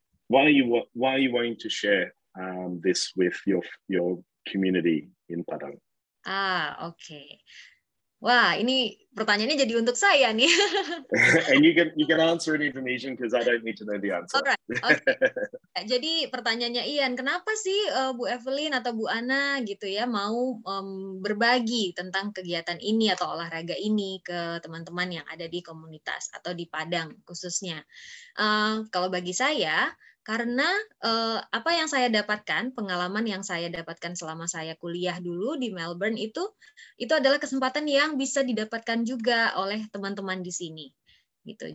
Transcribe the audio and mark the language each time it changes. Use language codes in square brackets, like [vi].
[en] Why are you wanting to share this with your community in Padang? Ah, oke. Okay. [id] Wah, ini pertanyaannya jadi untuk saya nih. [en] And you can answer in Indonesian because I don't need to know the answer. Alright, okay. [id] Jadi pertanyaannya Ian, kenapa sih Bu Evelyn atau Bu Anna gitu ya mau berbagi tentang kegiatan ini atau olahraga ini ke teman-teman yang ada di komunitas atau di Padang khususnya? Kalau bagi saya, karena apa yang saya dapatkan, pengalaman yang saya dapatkan selama saya kuliah dulu di Melbourne itu adalah kesempatan yang bisa didapatkan juga oleh teman-teman di sini. Gitu.